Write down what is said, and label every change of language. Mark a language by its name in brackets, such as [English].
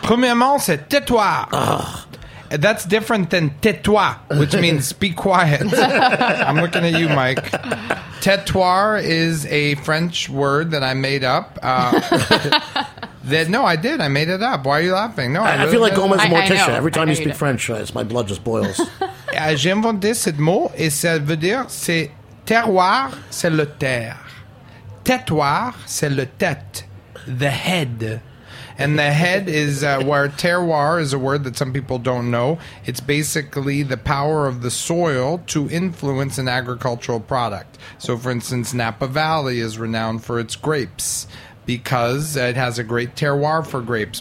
[French] Premièrement, c'est Tétoir. [English] That's different than tétoi, which means be quiet. I'm looking at you, Mike. Tétoir is a French word that I made up. I made it up. Why are you laughing? No, I feel like Gomez Morticia. Every time you speak French, my blood just boils. [French] J'ai inventé ce mot, et ça veut dire c'est terroir, c'est le terre. Tétoir, c'est le tête, [English] the head. And the head is where terroir is a word that some people don't know. It's basically the power of the soil to influence an agricultural product. So, for instance, Napa Valley is renowned for its grapes because it has a great terroir for grapes.